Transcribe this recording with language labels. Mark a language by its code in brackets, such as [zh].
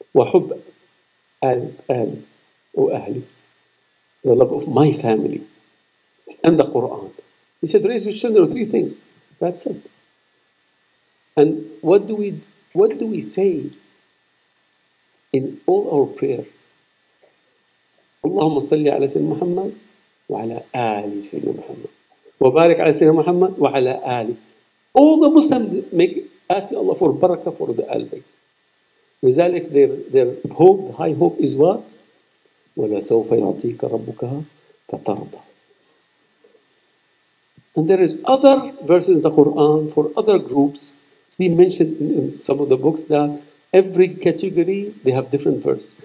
[ar] وَحُبَّ أَهْلِي. [en] The love of my family. And the Quran. He said, raise your children on three things. That's it. And what do we say in all our prayer? [ar] اللهم صل على سيدنا محمد وعلى آل سيدنا محمد وبارك على سيدنا محمد وعلى آل. [en] All the Muslims make ask Allah for barakah for the Ahlul Bayt. [ar] لذلك [en] their hope, the high hope is what? [ar] ولا سوف يعطيك ربك فترضى. [en] And there is other verses in the Quran for other groups. It's been mentioned in some of the books that every category they have different verse.